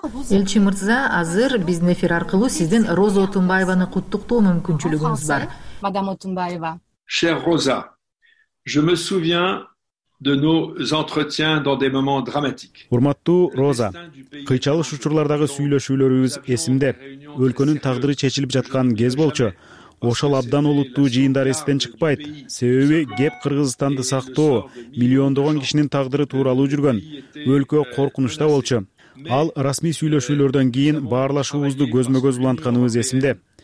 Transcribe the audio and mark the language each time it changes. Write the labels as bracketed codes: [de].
[ky] Элчи Мырза, азыр биздин эфир аркылуу сиздин Роза Отунбаеваны куттуктоо мүмкүнчүлүгүңүз бар. Мадам Отунбаева. [fr] Chère Rosa, je me souviens de nos entretiens dans des moments dramatiques. [ky] Урматтуу Роза, кыйчалыш учурлардагы сүйлөшүүлөрүбүз эсимде. Өлкөнүн тагдыры чечилип жаткан кез болчу. Ошол абдан олуттуу жыйындар эстен чыкпайт. Себеби кеп Кыргызстанды сактоо, миллиондогон кишинин тагдыры тууралуу жүргөн. Өлкө коркунучта болчу. Ал расмий сүйлөшүүлөрдөн кийин баарлашуубузду көзмө-көз улантканыбыз эсимде.